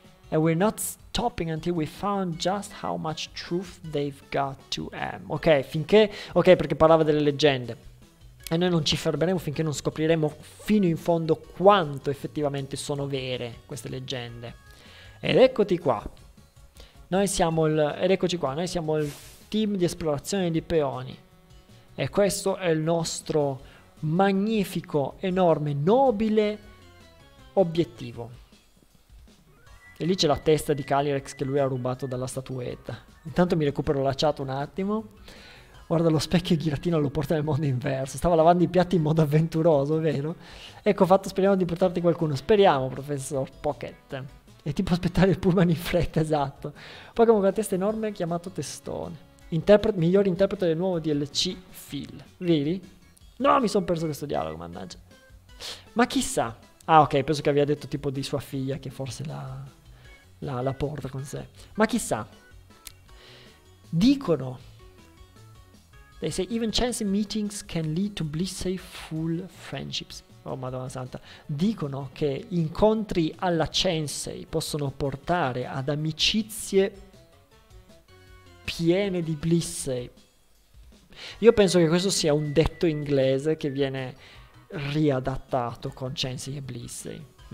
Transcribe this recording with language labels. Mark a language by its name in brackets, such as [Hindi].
[English] And we're not stopping until we found just how much truth they've got to him. [Italian] Ok, finché. Ok, perché parlava delle leggende. E noi non ci fermeremo finché non scopriremo fino in fondo quanto effettivamente sono vere queste leggende. Ed eccoti qua. Noi siamo ed eccoci qua, noi siamo il team di esplorazione di peoni. E questo è il nostro magnifico, enorme, nobile obiettivo. E lì c'è la testa di Calyrex che lui ha rubato dalla statuetta. Intanto mi recupero la chat un attimo. Guarda lo specchio e Giratina lo porta nel mondo inverso. Stava lavando i piatti in modo avventuroso, vero? Ecco fatto, speriamo di portarti qualcuno. Speriamo, professor Pocket. E tipo aspettare il pullman in fretta, esatto. Pokémon con la testa enorme chiamato Testone. Miglior interprete del nuovo DLC, Phil. Vedi? No, mi sono perso questo dialogo, mannaggia. Ma chissà. Ah, ok, penso che abbia detto tipo di sua figlia che forse la porta con sé. Ma chissà. Dicono. [English] They say even chance meetings can lead to blissful friendships. [Italian] Oh Madonna Santa, dicono che incontri alla Chancey possono portare ad amicizie piene di Blissey. Io penso che questo sia un detto inglese che viene riadattato con Chancey e Blissey.